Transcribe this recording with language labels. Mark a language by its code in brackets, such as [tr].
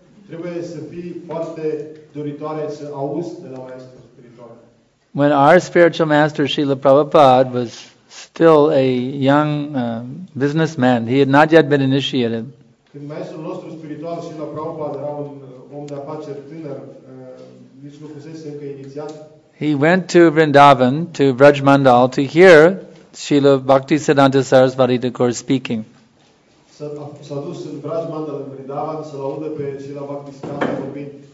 [ro] Trebuie să fii foarte doritoare să auzi de la maestru spiritual. [en] When our spiritual master Srila Prabhupada was still a young businessman, he had not yet been initiated. [ro] Când maestrul nostru spiritual Srila Prabhupada era un om de afaceri tânăr, nici nu fusese încă inițiat. [en] He went to Vrindavan, to Braj Mandal, to hear Srila Bhakti Siddhanta Sarasvati Thakur speaking. [ro] S-a dus în Braj Mandal, în Vrindavan, să-l audă pe Srila Bhakti Siddhanta vorbind.